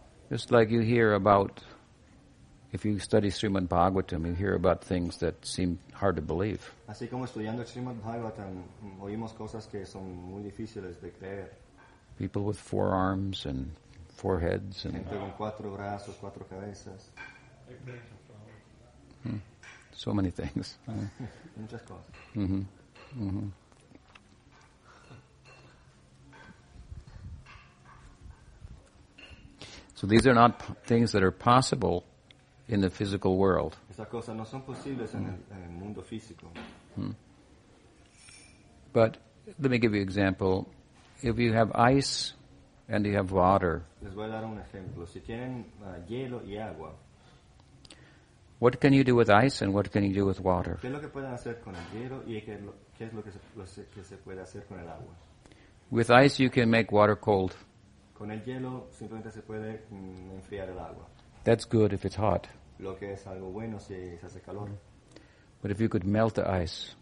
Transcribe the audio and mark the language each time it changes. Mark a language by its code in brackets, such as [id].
[en] Just like you hear about, if you study Srimad Bhagavatam, you hear about things that seem hard to believe. [es] Así como estudiando Srimad Bhagavatam, oímos cosas que son muy difíciles de creer. [en] People with four arms and four heads. And [es] gente con cuatro brazos, cuatro cabezas. [en] So many things. [es] Muchas cosas. [en] So these are not things that are possible in the physical world. [es] Esas cosas no son posibles en el mundo físico. [en] But let me give you an example. If you have ice and you have water, [es] les voy a dar un ejemplo. Si tienen hielo y agua, [en] what can you do with ice and what can you do with water? [es] ¿Qué es lo que pueden hacer con el hielo y qué es lo que se puede hacer con el agua? [en] With ice you can make water cold. [es] Con el hielo simplemente se puede enfriar el agua. [en] That's good if it's hot. [es] Lo que es algo bueno si se hace calor. [en] But if you could melt the ice.